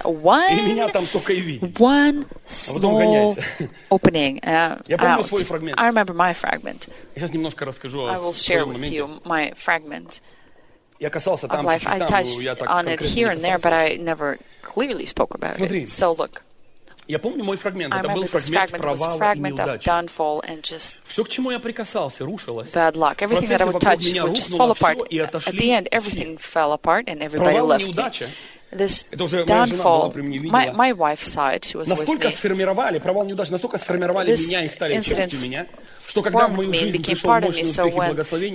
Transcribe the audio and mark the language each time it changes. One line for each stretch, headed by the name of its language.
English: One small opening. I remember my fragment. I will share with you my fragment of life. I touched on it here and there, but I never clearly spoke about it. So look.
Russian: Я помню мой фрагмент. Это был фрагмент провала и неудачи. Все, к чему я прикасался, рушилось.
English: Bad luck. Everything that I would touch would just fall apart. At the end, everything fell apart and everybody left.
Russian: Провал и неудача.
English: This downfall, my wife saw it, she was with me. This incident formed me and became part of me, so when